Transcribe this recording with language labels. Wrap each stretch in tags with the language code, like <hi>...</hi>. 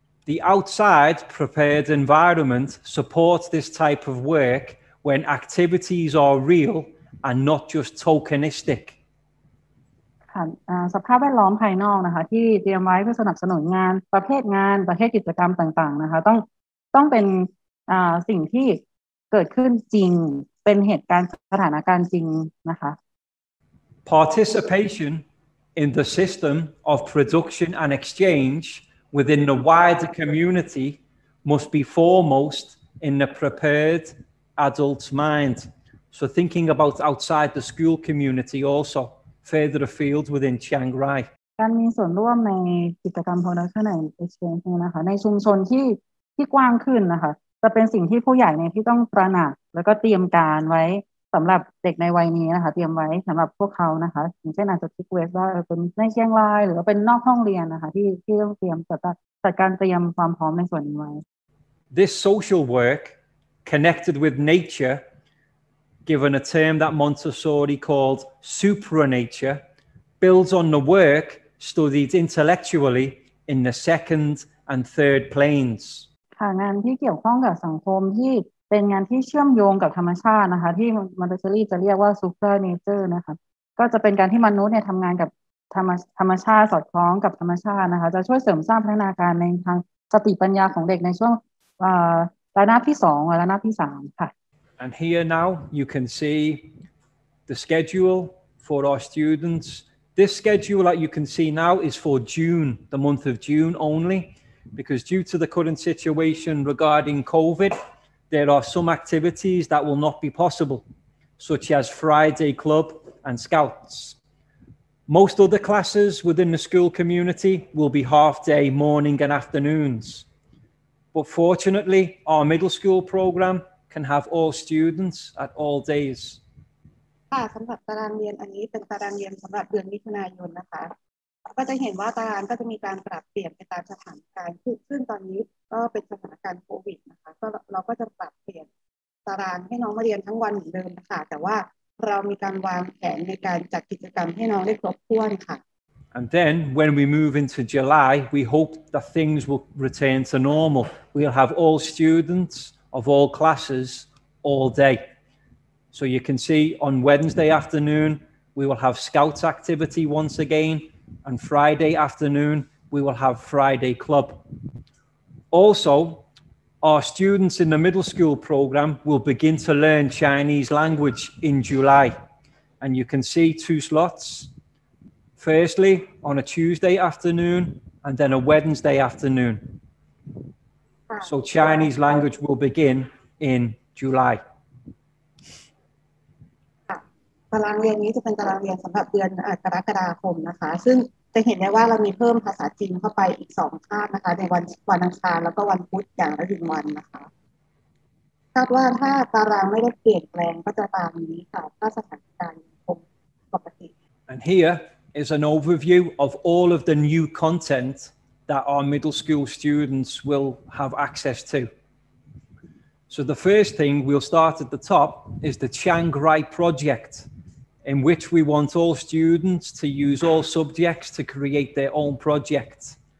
<en>The outside prepared environment supports this type of work when activities are real and not just tokenistic</en> <th>ค่ะสภาพแวดล้อมภายนอกนะคะที่เตรียมไว้เพื่อสนับสนุนงานประเภทงานประเภทกิจกรรมต่างๆนะคะต้องเป็นสิ่งที่เกิดขึ้นจริงเป็นเหตุการณ์สถานการณ์จริงนะคะ</th> <en>Participation in the system of production and exchange within the wider community must be foremost in the prepared adult's mind so thinking about outside the school community alsofurther afield within Chiang Rai</en> <th>การมีส่วนร่วมในกิจกรรมโพนัสในเอเชียนะคะในชุมชนที่กว้างขึ้นนะคะจะเป็นสิ่งที่ผู้ใหญ่ในที่ต้องตระหนักแล้วก็เตรียมการไว้สำหรับเด็กในวัยนี้นะคะเตรียมไว้สำหรับพวกเขานะคะอย่างเช่นอาจจะคิดเวสว่าเป็นในเชียงรายหรือว่าเป็นนอกห้องเรียนนะคะที่ต้องเตรียมจัดการเตรียมความพร้อมในส่วนนี้ไว้</th> <en>This social work connected with natureGiven a term that Montessori called supranature, builds on the work studied intellectually in the second and third planes.</en> <th>งานที่เกี่ยวข้องกับสังคมที่เป็นงานที่เชื่อมโยงกับธรรมชาตินะคะที่ Montessori จะเรียกว่า supranature นะคะก็จะเป็นการที่มนุษย์เนี่ยทำงานกับธรรมชาติสอดคล้องกับธรรมชาตินะคะจะช่วยเสริมสร้างพัฒนาการในทางสติปัญญาของเด็กในช่วงระนาบที่สองและระนาบที่สามค่ะ</th> <en>And here now you can see the schedule for our students. This schedule that you can see now is for June, the month of June only, because due to the current situation regarding COVID, there are some activities that will not be possible, such as Friday Club and Scouts. Most other classes within the school community will be half day morning and afternoons. But fortunately, our middle school program,can have all students at all days.</en> <th>ค่ะสำหรับตารางเรียนอันนี้เป็นตารางเรียนสำหรับเดือนมิถุนายนนะคะก็จะเห็นว่าตารางก็จะมีการปรับเปลี่ยนไปตามสถานการณ์ซึ่งตอนนี้ก็เป็นสถานการณ์โควิดนะคะก็เราก็จะปรับเปลี่ยนตารางให้น้องมาเรียนทั้งวันเหมือนเดิมค่ะแต่ว่าเรามีการวางแผนในการจัดกิจกรรมให้น้องได้ครบถ้วนค่ะ</th> <en>And then when we move into July, we hope that things will return to normal. We'll have all students. Of all classes, all day. So you can see on Wednesday afternoon, we will have Scouts activity once again, and Friday afternoon, we will have Friday Club. Also, Our students in the middle school program will begin to learn Chinese language in July. And you can see two slots. Firstly, on a Tuesday afternoon, and then a Wednesday afternoon. So Chinese language will begin in July.</en> <th>ตารางเรียนนี้จะเป็นตารางเรียนสำหรับเดือนกรกฎาคมนะคะซึ่งจะเห็นได้ว่าเรามีเพิ่มภาษาจีนเข้าไปอีก2คาบนะคะในวันอังคารแล้วก็วันพุธอย่างละ1วันนะคะคาดว่าถ้าตารางไม่ได้เปลี่ยนแปลงก็จะตามนี้ค่ะถ้าสถานการณ์คงปกติ</th> <en>And here is an overview of all of the new content that our middle school students will have access to. So the first thing we'll start at the top is the Chiang Rai project. In which we want all students to use all subjects to create their own projects.</en>